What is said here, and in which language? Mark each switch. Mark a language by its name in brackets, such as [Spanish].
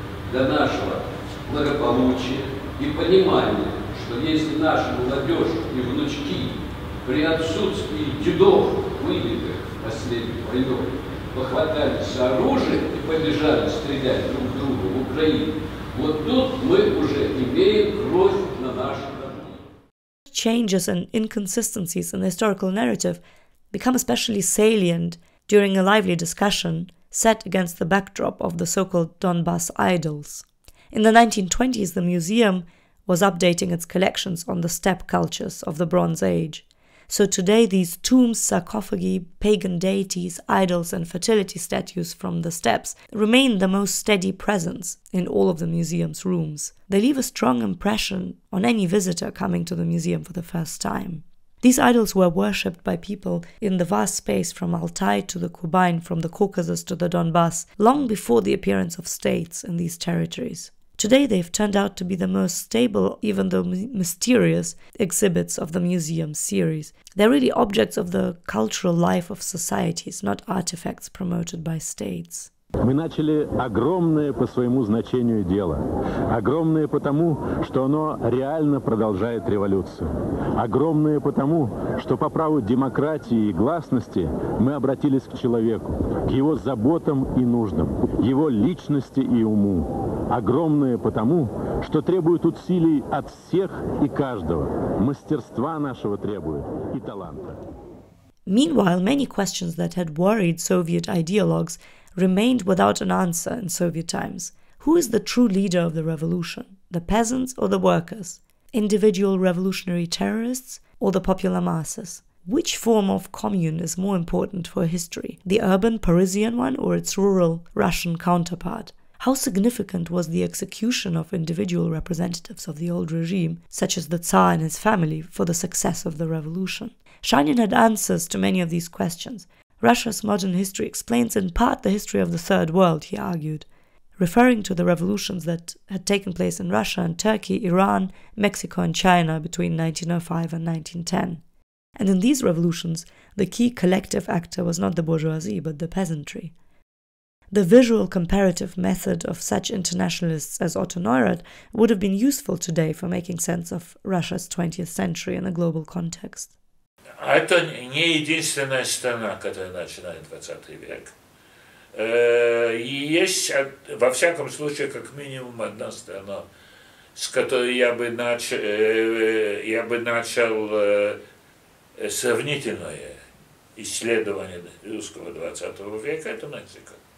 [Russian] для нашего благополучия и понимания, что если наша молодежь и внучки при отсутствии дедов, выбитых в последнюю войну, похватались оружие и побежали стрелять друг в друга в Украине, вот тут мы уже имеем кровь на нашем. [English] Changes and inconsistencies in the historical narrative become especially salient during a lively discussion set against the backdrop of the so-called Donbass idols. In the 1920s, the museum was updating its collections on the steppe cultures of the Bronze Age. So today these tombs, sarcophagi, pagan deities, idols and fertility statues from the steppes remain the most steady presence in all of the museum's rooms. They leave a strong impression on any visitor coming to the museum for the first time. These idols were worshipped by people in the vast space from Altai to the Kubain, from the Caucasus to the Donbass, long before the appearance of states in these territories. Today they've turned out to be the most stable, even though mysterious, exhibits of the museum series. They're really objects of the cultural life of societies, not artifacts promoted by states. [Russian] Мы начали огромное по своему значению дело. Огромное потому, что оно реально продолжает революцию. Огромное потому, что по праву демократии и гласности мы обратились к человеку, к его заботам и нуждам, его личности и уму. Огромное потому, что требует усилий от всех и каждого. Мастерства нашего требует и таланта. [English] Meanwhile, many questions that had worried Soviet ideologues remained without an answer in Soviet times. Who is the true leader of the revolution? the peasants or the workers, individual revolutionary terrorists or the popular masses? Which form of commune is more important for history, the urban Parisian one or its rural Russian counterpart? How significant was the execution of individual representatives of the old regime, such as the Tsar and his family, for the success of the revolution? Shanin had answers to many of these questions. Russia's modern history explains in part the history of the Third World, he argued. Referring to the revolutions that had taken place in Russia and Turkey, Iran, Mexico and China between 1905 and 1910. And in these revolutions, the key collective actor was not the bourgeoisie, but the peasantry. The visual comparative method of such internationalists as Otto Neurath would have been useful today for making sense of Russia's 20th century in a global context. [Russian] Это не единственная страна, которая начинает 20 век. Есть, во всяком случае, как минимум одна страна, с которой я бы начал сравнительное исследование русского 20 века, это Мексика.